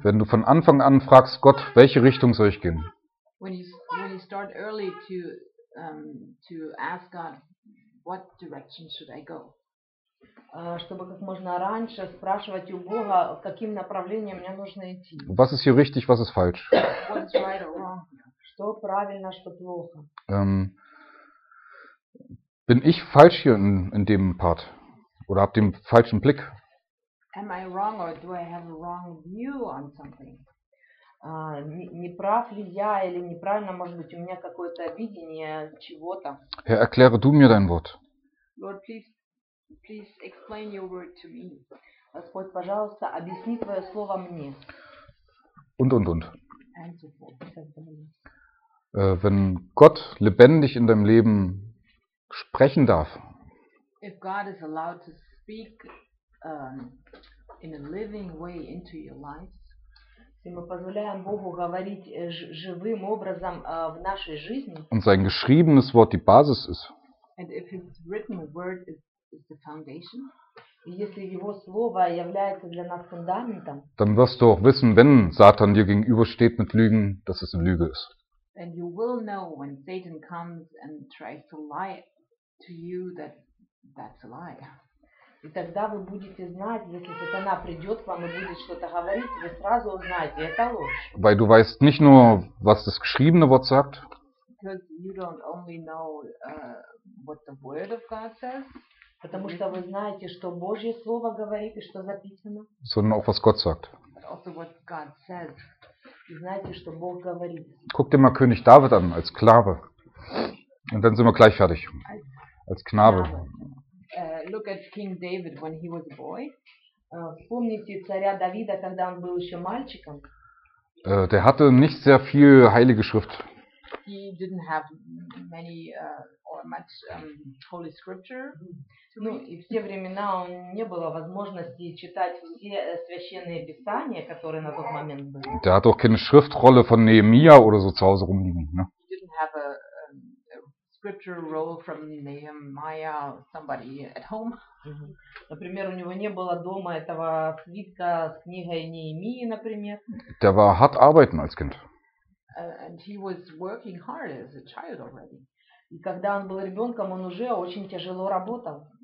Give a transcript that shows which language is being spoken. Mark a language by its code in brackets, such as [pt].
[de] Wenn du von Anfang an fragst Gott, welche Richtung soll ich gehen? [en] When you start early to ask God, what direction should I go? [ru] Чтобы как можно раньше спрашивать у Бога, каким направлением мне нужно идти. [de] Was ist hier richtig, was ist falsch? [en] What's right or wrong? [ru] Что правильно, что плохо? [de] Bin ich falsch hier in dem Part? Oder hab den falschen Blick? [en] Am I wrong or do I have a wrong view on something? [ru] Не прав ли я или неправильно, может быть, у меня какое-то видение чего-то. [de] Herr, erkläre du mir dein Wort. [en] Lord, please explain your word to me. [ru] Господь, пожалуйста, объясни твое слово мне. [de] Und. [en] And so forth. [de] Wenn Gott lebendig in deinem Leben sprechen darf, [en] if God is allowed to speak in a living way into your life, [ru] если мы позволяем Богу говорить живым образом в нашей жизни, [de] und sein geschriebenes Wort die Basis ist, [en] and if his written word is the foundation, [ru] если его слово является для нас фундаментом, [de] dann wirst du auch wissen, wenn Satan dir gegenübersteht mit Lügen, dass es eine Lüge ist. [en] Then you will know when Satan comes and tries to lie to you that that's a lie. [ru] И тогда вы будете знать, если сатана придет к вам и будет что-то говорить, вы сразу узнаете, это ложь. [de] Weil du weißt nicht nur, was das geschriebene Wort sagt. [en] Because you don't only know what the word of God says. [ru] Потому что вы знаете, что Божье слово говорит и что записано. [de] Sondern auch, was Gott sagt. [en] Also what God says. [ru] И знаете, что Бог говорит. [de] Guck dir mal König David an, als Knabe. Und dann sind wir gleich fertig. Als Knabe. [en] Look at King David when he was a boy. [ru] Вспомните царя Давида, когда он был еще мальчиком. [de] Der hatte nicht sehr viel Heilige Schrift. [en] He didn't have many or much Holy Scripture. [ru] Ну, и все времена у него не было возможности читать все священные писания, которые на тот момент были. [de] Der hat auch keine Schriftrolle von Nehemia oder so zu Hause rumliegen, ne? [en] He didn't have a scripture roll from Nehemiah, somebody at home. [ru] Например, у него не было дома этого свитка с книгой Неемии, например. [de] Der war hart arbeiten als Kind. [en] And he was working hard as a child already. [ru] И когда он был ребенком, он уже очень тяжело работал.